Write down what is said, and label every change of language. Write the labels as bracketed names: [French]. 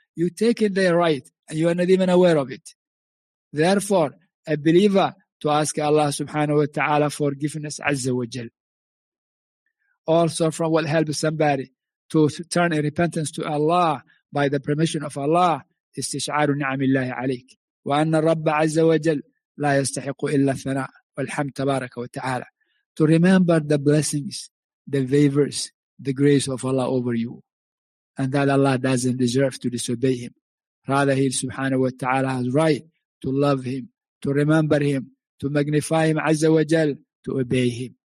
[English] You take their right and you are not even aware of it. Therefore, a believer to ask Allah subhanahu wa ta'ala forgiveness azza wa jal. Also from what helps somebody to turn in repentance to Allah by the permission of Allah, [Arabic] istish'aru ni'amillahi alayk. وأن الرب عز وجل لا يستحق إلا الثناء والحمد تبارك وتعالى. [English] To remember the blessings, the favors, the grace of Allah over you. And that Allah doesn't deserve to disobey Him. Rather, He subhanahu wa ta'ala has right to love Him, to remember Him, to magnify Him عز وجل, to obey Him.